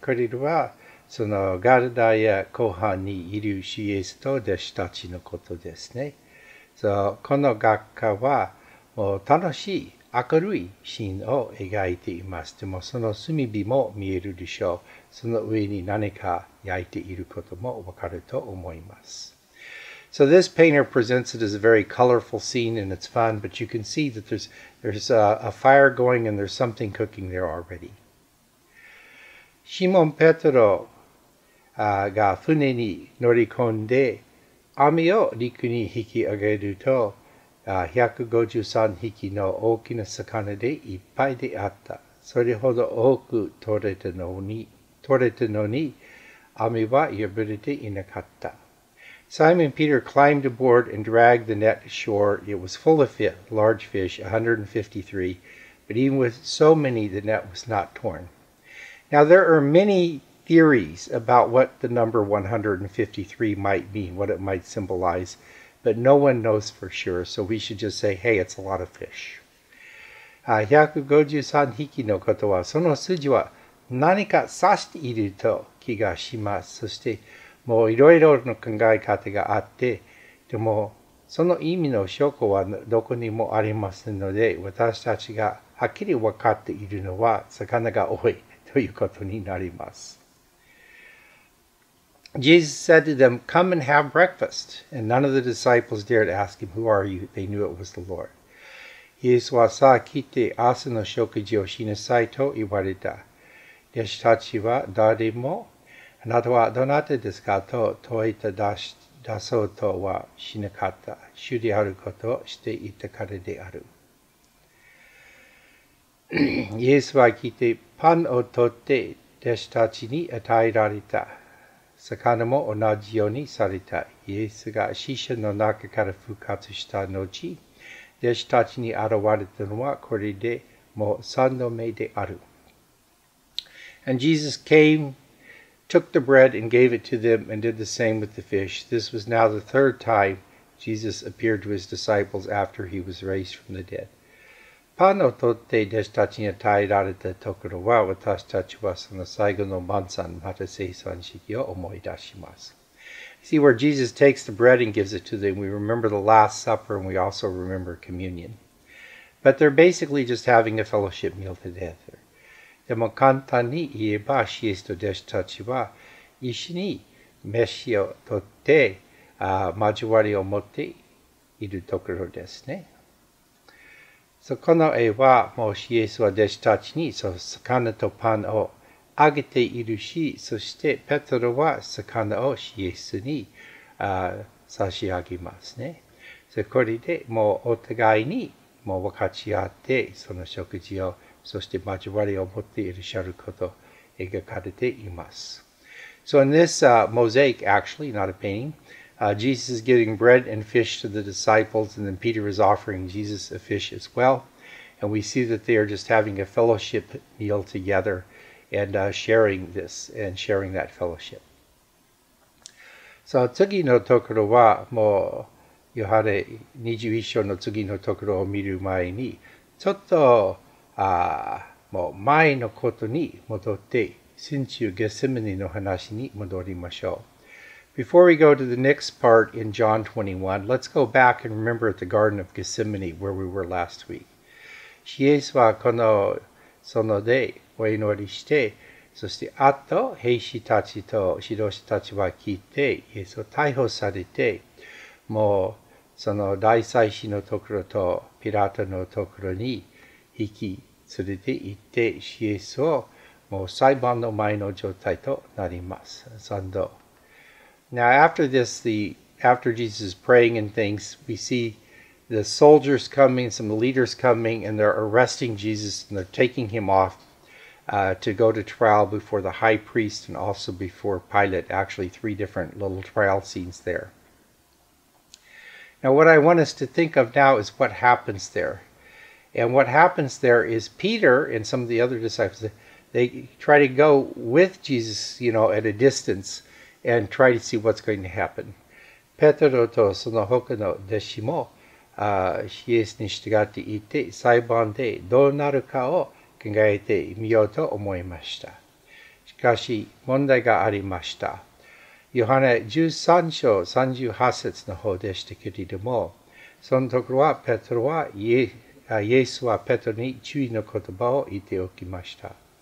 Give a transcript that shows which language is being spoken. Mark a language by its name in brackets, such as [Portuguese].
[Japanese] これは、そのガルダヤ湖畔にいる主イエスと弟子たちのことですね。 So, この画家はもう楽しい明るいシーンを描いています。でもその炭火も見えるでしょう。その上に何か焼いていることもわかると思います。 [English] So this painter presents it as a very colorful scene and it's fun, but you can see that there's a fire going and there's something cooking there already. [Japanese] シモン・ペトロが船に乗り込んで網を陸に引き上げると153匹の大きな魚でいっぱいであった。それほど多く取れたのに網は破れていなかった。 [English] Simon Peter climbed aboard and dragged the net ashore. It was full of fish, large fish, 153, but even with so many, the net was not torn. Now there are many theories about what the number 153 might mean, what it might symbolize, but no one knows for sure, so we should just say, hey, it's a lot of fish. [Japanese] 153匹のことは、その数字は何か指している気がします。そして、もういろいろな考え方があって、でも、その意味の証拠はどこにもありませんので、私たちがはっきり分かっているのは、魚が多いということになります。 [English] Jesus said to them, come and have breakfast. And none of the disciples dared ask him, who are you? They knew it was the Lord. [Japanese] イエスはさあ来て朝の食事をしなさいと言われた。弟子たちは誰も、あなたはどなたですかと問いた出そうとはしなかった。主であることをしていたからである。イエスは来てパンを取って弟子たちに与えられた。魚も同じようにされた。イエスが死者の中から復活した後、弟子たちに現れたのはこれでもう三度目である。 [English] And Jesus came, took the bread and gave it to them and did the same with the fish. This was now the third time Jesus appeared to his disciples after he was raised from the dead. [Japanese] パンを取って弟子たちに与えられたところは、私たちはその最後の晩餐、また聖餐式を思い出します。 [English] See where Jesus takes the bread and gives it to them. We remember the Last Supper and we also remember communion. But they're basically just having a fellowship meal together. [Japanese] でも簡単に言えば、イエスと弟子たちは一緒に飯を取って、交わりを持っているところですね。 So, この絵は、もしイエスは弟子たちに、その魚とパンをあげているし、そして、ペトロは魚をイエスに差し上げますね。 So, これでもうお互いにもう分かち合って、その食事を、そして交わりを持っていらっしゃることを描かれています。 [English] So, in this mosaic, actually, not a painting,Jesus is giving bread and fish to the disciples, and then Peter is offering Jesus a fish as well. And we see that they are just having a fellowship meal together and sharing this and sharing that fellowship. [Japanese] So, 次のところは、もう、ヨハネ21章の次のところを見る前に、ちょっと、もう前のことに戻って、先週ゲセマネの話に戻りましょう。 [English] Before we go to the next part in John 21, let's go back and remember at the Garden of Gethsemane where we were last week. [Japanese] イエスはこの園でお祈りして、そしてあと兵士たちと指導者たちは聞いて、イエスを逮捕されて、もうその大祭司のところとピラトのところに引き連れて行って、シエスをもう裁判の前の状態となります。三度。 [English] Now after this, after Jesus is praying and things, we see the soldiers coming, some leaders coming, and they're arresting Jesus and they're taking him off to go to trial before the high priest and also before Pilate, actually three different little trial scenes there. Now what I want us to think of now is what happens there. And what happens there is Peter and some of the other disciples, they try to go with Jesus, you know, at a distance and try to see what's going to happen. [Japanese] Petro to その他の弟子もイエスに従っていて、裁判でどうなるかを考えてみようと思いました。しかし問題がありました。ヨハネ13章38節の方でしたけれども、そのところはペトロはイエスはペトロに注意の言葉を言っておきました。